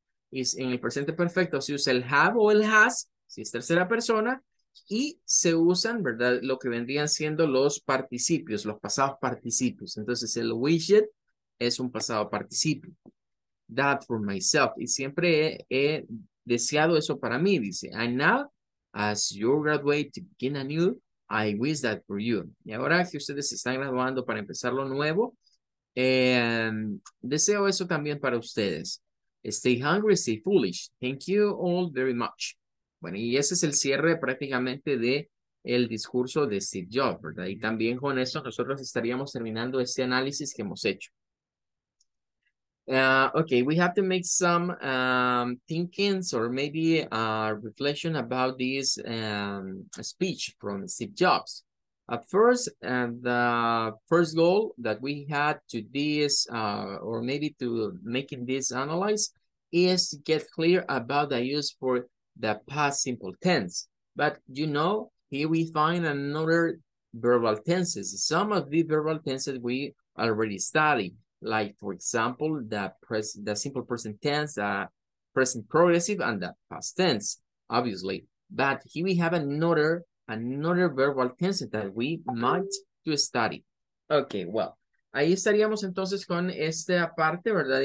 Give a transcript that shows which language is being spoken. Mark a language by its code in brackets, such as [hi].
[es] Y en el presente perfecto se usa el have o el has, si es tercera persona, y se usan, ¿verdad? Lo que vendrían siendo los participios, los pasados participios. Entonces, el wished es un pasado participio. [en] That for myself. [es] Y siempre he deseado eso para mí, dice. [en] And now, as you graduate to begin anew, I wish that for you. [es] Y ahora que ustedes se están graduando para empezar lo nuevo, deseo eso también para ustedes. [en] Stay hungry, stay foolish. Thank you all very much. [es] Bueno, y ese es el cierre prácticamente del discurso de Steve Jobs, ¿verdad? Y también con eso nosotros estaríamos terminando este análisis que hemos hecho. [en] Okay, we have to make some thinkings or maybe a reflection about this speech from Steve Jobs. At first, the first goal that we had to this, or maybe to making this analyze, is to get clear about the use for the past simple tense. But you know, here we find another verbal tenses. Some of the verbal tenses we already studied, like for example, the simple present tense, the present progressive, and the past tense, obviously. But here we have another verbal tense that we might to study. Okay, well, [es] ahí estaríamos entonces con esta parte, ¿verdad?